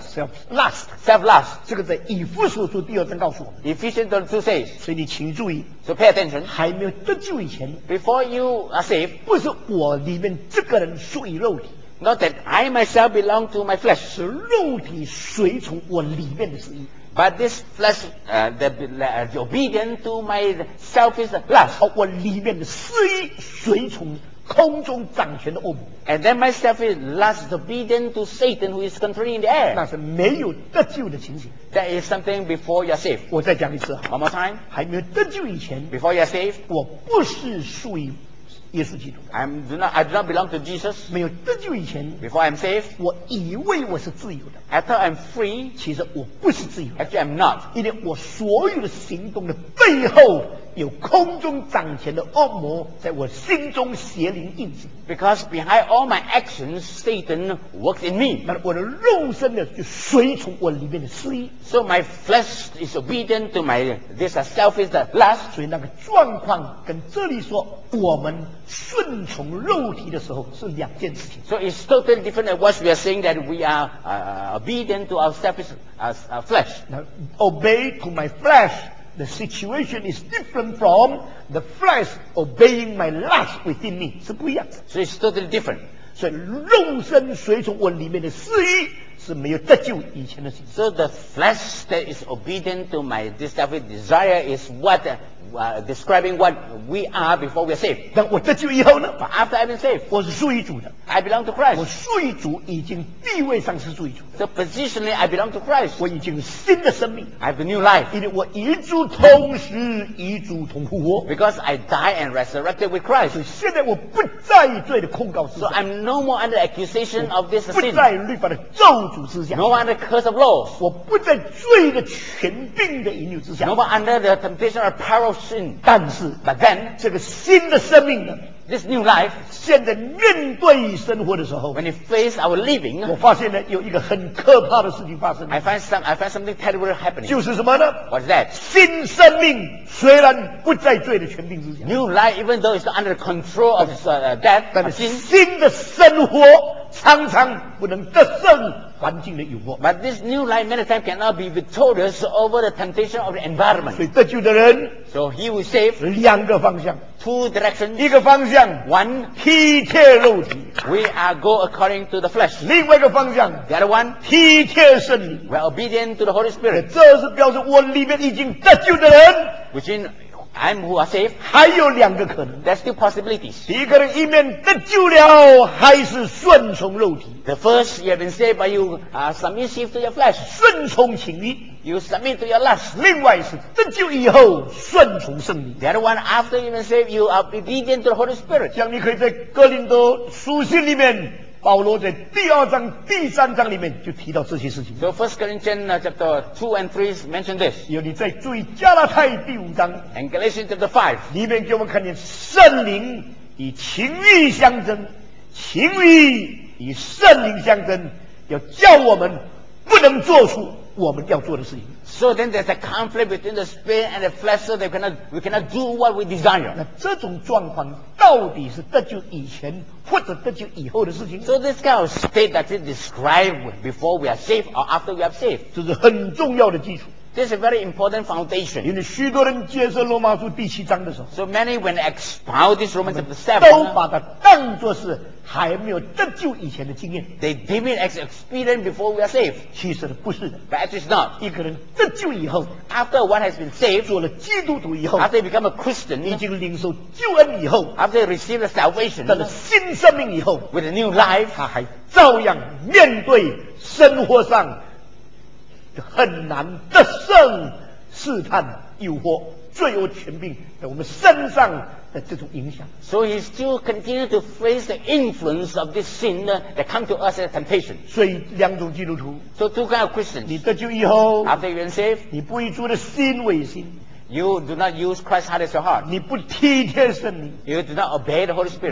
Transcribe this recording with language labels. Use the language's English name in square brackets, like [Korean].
[English] Self-lust. Self-lust. [Chinese] 这个在以弗所书第二章告诉我们。 [English] Ephesians 2 says. [Chinese] 所以你请注意。 [English] So pay attention. [Chinese] 还没有得救以前。 [English] Before you are saved. [Chinese] 不是我里面这个人属于肉体。 [English] Not that I myself belong to my flesh. [Chinese] 是肉体随从我里面的旨意。 [English] But this flesh, the obedient to my selfish lust. [Chinese] 好，我里面的私意随从空中掌权的恶魔。 [English] And then my selfish lust is obedient to Satan who is controlling the air. [Chinese] 那是没有得救的情形。 [English] That is something before you're saved. [Chinese] 我再讲一次。 [English] One more time. [Chinese] 还没有得救以前。 [English] Before you're saved. [Chinese] 我不是属于。耶稣基督 [English] I do not belong to Jesus [Chinese] 没有得救以前 [English] Before I'm saved [Chinese] 我以为我是自由的 [English] I thought I'm free [Chinese] 其实我不是自由的 [English] Actually I'm not [Chinese] 因为我所有的行动的背后有空中掌权的恶魔在我心中邪灵印记。 [English] Because behind all my actions, Satan works in me. [Chinese] 那我的肉身呢，就随从我里面的私欲。 [English] So my flesh is obedient to my this selfish lust. [Chinese] 所以那个状况跟这里说我们顺从肉体的时候是两件事情。 [English] So it's totally different than what we are saying that we are obedient to our selfish flesh. Now, obey to my flesh. The situation is different from the flesh obeying my lust within me. [Chinese] 是不一样的。 [English] So it's totally different. [Chinese] 所以肉身随从我里面的私欲是没有得救以前的事情。 [English] So the flesh that is obedient to my selfish desire is what describing what we are before we are saved. [Chinese] 但我得救以后呢？ [English] But after I've been saved, [Chinese] 我是属于主的。 [English] I belong to Christ. [Chinese] 我属于主已经地位上是属于主。 [English] So positionally, I belong to Christ. [Chinese] 我已经新的生命。 [English] I have a new life. [Chinese] 因为我与主同时与主同复活。 [English] Because I die and resurrected with Christ. [Chinese] 所以现在我不在于罪的控告之下。 [English] So I'm no more under accusation of this sin. [Chinese] 不在律法的咒诅之下。 [English] No under curse of law. [Chinese] 我不在罪的权柄的引诱之下。 [English] No more under the temptation or power of sin. [Chinese] 但是 [English] But then, [Chinese] 这个新的生命呢？ [English] This new life, [Chinese] 现在面对生活的时候 [English] when you face our living, [Chinese] 我发现呢有一个很可怕的事情发生 [English] I find something terrible happening. [Chinese] 就是什么呢 [English] What's that? [Chinese] 新生命虽然不在罪的权柄之下 [English] New life, even though it's under the control of death, [Chinese] 但是新的生活常常不能得胜环境的诱惑 [English] But this new life many times cannot be victorious over the temptation of the environment. [Chinese] 所以得救的人 [English] So he will save [Chinese] 两个方向 [English] Two directions. [Chinese] 一个方向 [English] One. [Chinese] 体贴肉体 [English] We are go according to the flesh. [Chinese] 另外一个方向 [English] The other one. [Chinese] 体贴圣灵 [English] We are obedient to the Holy Spirit. [Chinese] 这是表示我里面已经得救的人 [English] Which in I'm who are saved. [Chinese] 还有两个可能 [English] There's two possibilities. [Chinese] 第一个人一面得救了还是顺从肉体 [English] The first you have been saved but you are submissive to your flesh. [Chinese] 顺从情欲 [English] You submit to your lust. [Chinese] 另外是得救以后顺从圣灵。 [English] The other one after you've been saved, you are obedient to the Holy Spirit. [Chinese] 像你可以在哥林多书信里面，保罗在第二章、第三章里面就提到这些事情。 [English] So First Corinthians chapter 2 and 3 mentioned this. [Chinese] 有你在注意加拉太第五章 [English] ，and Galatians chapter 5 [Chinese] 里面给我们看见圣灵与情欲相争，情欲与圣灵相争，要叫我们不能做出。我们要做的事情。 [English] So then there's a conflict between the spirit and the flesh, so we cannot do what we desire. [Chinese] 那这种状况到底是得救以前或者得救以后的事情 [English] ？So this kind of state that is described before we are saved or after we are saved, [Chinese] 这是很重要的基础。 [English] This is a very important foundation. [Chinese] 因为许多人接受罗马书第七章的时候 [English] ，So many when expound this Romans chapter 7, [Chinese] 都把它当作是。还没有得救以前的经验 [English] They deem it as experience before we are saved [Chinese] 其实不是的 [English] But it's not [Chinese] 一个人得救以后 [English] After one has been saved [Chinese] 做了基督徒以后 [English] After you become a Christian [Chinese] 已经领受救恩以后 [English] After you receive the salvation [Chinese] 得了新生命以后 [English] With a new life [Chinese] 他还照样面对生活上很难得胜试探诱惑罪恶权柄在我们身上的这种影响 [English] So he still continue to face the influence of this sin that come to us as a temptation. [Chinese] 所以两种基督徒 [English] So two kind of Christians. [Chinese] 你得救以后 [English] After you're saved. [Chinese] 你不以主的心为心 [English] You do not use Christ's heart as your heart. [Chinese] 你不体贴圣灵 [English] You do not obey the Holy Spirit.